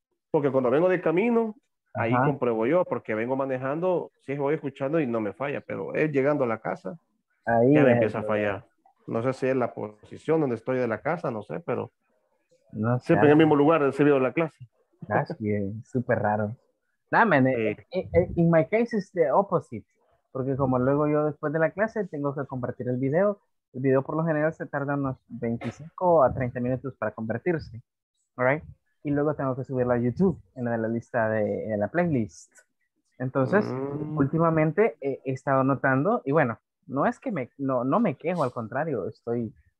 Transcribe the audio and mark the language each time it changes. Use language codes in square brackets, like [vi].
[es] porque cuando vengo de camino, ajá, ahí compruebo yo porque vengo manejando, sí voy escuchando y no me falla, pero es llegando a la casa ahí ya me empieza a fallar. No sé si es la posición donde estoy de la casa, no sé, pero no, siempre en el mismo lugar he recibido la clase. [en] That's weird. [es] Super raro. [en] Nah, man, in my case is the opposite. [es] Porque como luego yo después de la clase tengo que compartir el video. El video por lo general se tarda unos 25 a 30 minutos para convertirse. Alright. Y luego tengo que subirlo a YouTube en la lista de la playlist. Entonces, últimamente he estado notando, y bueno, no es que no me quejo, al contrario, estoy.